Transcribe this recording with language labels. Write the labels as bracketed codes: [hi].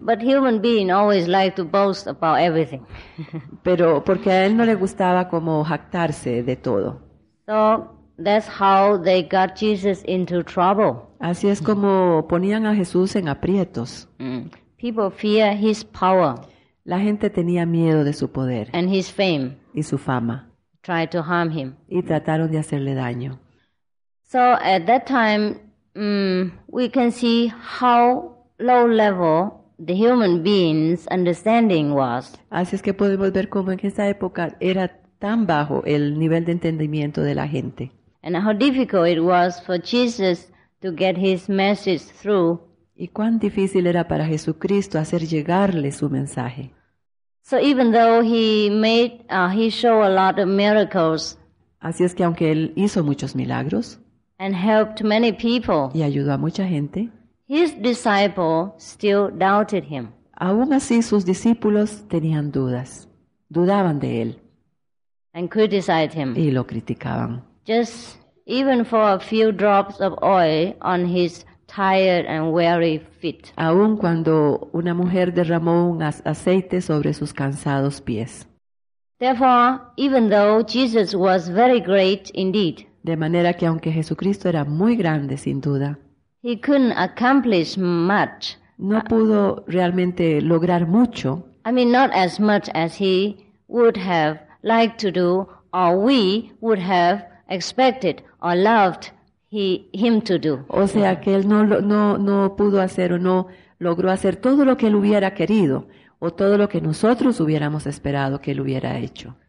[en] But human beings always like to boast about everything. [es] Pero porque a él no le gustaba como jactarse de todo. [en] So that's how they got Jesus into trouble. [es] Así es como ponían a Jesús en aprietos. [en] People fear his power. [es] La gente tenía miedo de su poder. [en] And his fame. [es] Y su fama. [en] Try to harm him. [es] Y trataron de hacerle daño. [en] So at that time, we can see how low level the human being's understanding was. [es] Así es que podemos ver cómo en esa época era tan bajo el nivel de entendimiento de la gente. [en] And how difficult it was for Jesus to get his message through. [es] Y cuán difícil era para Jesucristo hacer llegarle su mensaje. [en] So even though he showed a lot of miracles. [es] Así es que aunque él hizo muchos milagros. [en] And helped many people. [es] Y ayudó a mucha gente. [en] His disciples still doubted him. [es] Aún así, sus discípulos tenían dudas. Dudaban de él. [en] And criticized him. [es] Y lo criticaban. [en] Just even for a few drops of oil on his tired and weary feet. [es] Aún cuando una mujer derramó un aceite sobre sus cansados pies. [en] Therefore, even though Jesus was very great indeed, [es] de manera que aunque Jesucristo era muy grande, sin duda, [en] he couldn't accomplish much. [es] No pudo realmente lograr mucho. [en] I mean, not as much as he would have liked to do, or we would have expected or loved him to do. [es] O sea, que él no pudo hacer o no logró hacer todo lo que él hubiera querido, o todo lo que nosotros hubiéramos esperado que él hubiera hecho.